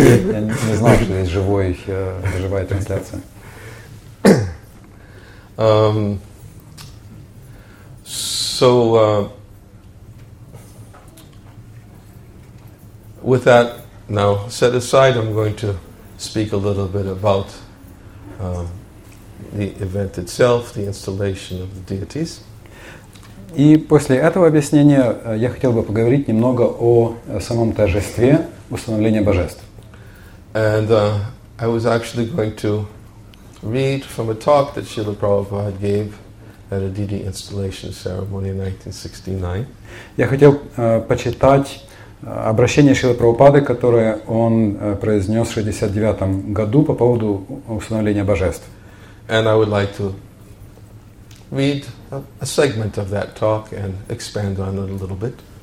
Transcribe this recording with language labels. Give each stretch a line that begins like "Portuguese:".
Russian: Я не знал, что есть живая трансляция.
English: So with that now set aside, I'm going to speak a little bit about the event itself, the installation of the deities.
Russian: И после этого объяснения я хотел бы поговорить немного о самом торжестве установления божеств.
English: And I was actually going to read from a talk that Srila Prabhupada gave at a deity installation ceremony in 1969.
Russian: Я хотел почитать обращение Шрилы Прабхупады, которое он произнес в 69-м году по поводу установления божеств.
English: And I would like to read a segment of that talk and expand on it a little bit.